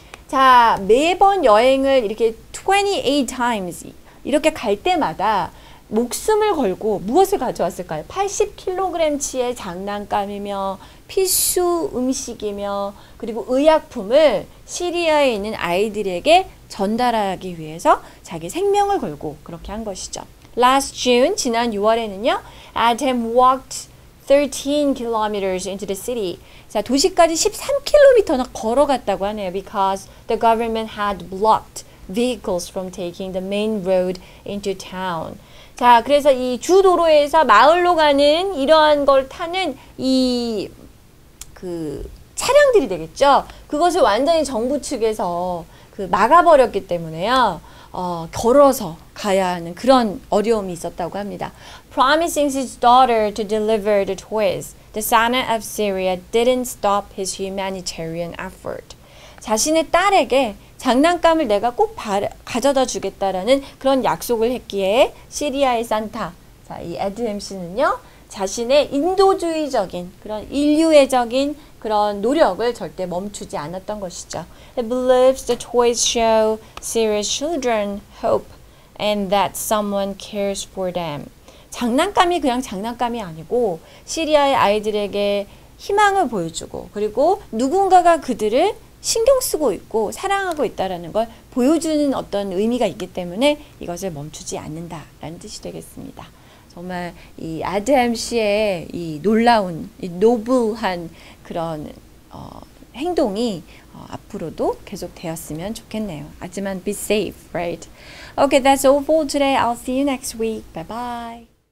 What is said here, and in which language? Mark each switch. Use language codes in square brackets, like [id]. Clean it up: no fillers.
[ko] 자, 매번 여행을 이렇게 [en] 28 times [ko] 이렇게 갈 때마다 목숨을 걸고 무엇을 가져왔을까요? 80kg치의 장난감이며 필수 음식이며 그리고 의약품을 시리아에 있는 아이들에게 전달하기 위해서 자기 생명을 걸고 그렇게 한 것이죠. [en] Last June, [ko] 지난 6월에는요, [en] Adham walked 13 kilometers into the city. [ko] 자, 도시까지 13km나 걸어갔다고 하네요. [en] Because the government had blocked vehicles from taking the main road into town. [ko] 자, 그래서 이 주도로에서 마을로 가는 이러한 걸 타는 이 그 차량들이 되겠죠. 그것을 완전히 정부 측에서 그 막아버렸기 때문에요. 걸어서 가야 하는 그런 어려움이 있었다고 합니다. [en] Promising his daughter to deliver the toys, the Santa of Syria didn't stop his humanitarian effort. [ko] 자신의 딸에게 장난감을 내가 꼭 가져다 주겠다라는 그런 약속을 했기에 시리아의 산타, 자, 이 애드햄 씨는요, 자신의 인도주의적인 그런 인류애적인 그런 노력을 절대 멈추지 않았던 것이죠. [en] He believes the toys show serious children hope and that someone cares for them. [ko] 장난감이 그냥 장난감이 아니고 시리아의 아이들에게 희망을 보여주고 그리고 누군가가 그들을 신경 쓰고 있고 사랑하고 있다라는 걸 보여주는 어떤 의미가 있기 때문에 이것을 멈추지 않는다라는 뜻이 되겠습니다. 정말 이 아드햄 씨의 이 놀라운 이 노블한 그런 행동이 앞으로도 계속 되었으면 좋겠네요. 하지만 [en] be safe, right? Okay, that's all for today. I'll see you next week. Bye bye.